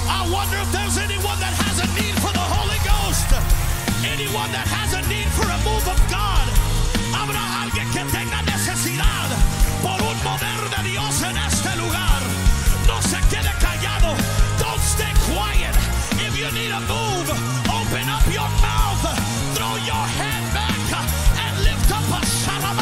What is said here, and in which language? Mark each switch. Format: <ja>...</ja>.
<en>wonder if there's anyone that has a need for the Holy Ghost. Anyone that has a need for a move of God.</en> <es>Habrá alguien que tenga necesidad por un mover de Dios en este lugar. No se quede callado.</es> <en>Don't stay quiet. If you need a move, open up your mouth. Throw your head back and lift up a shout.</en>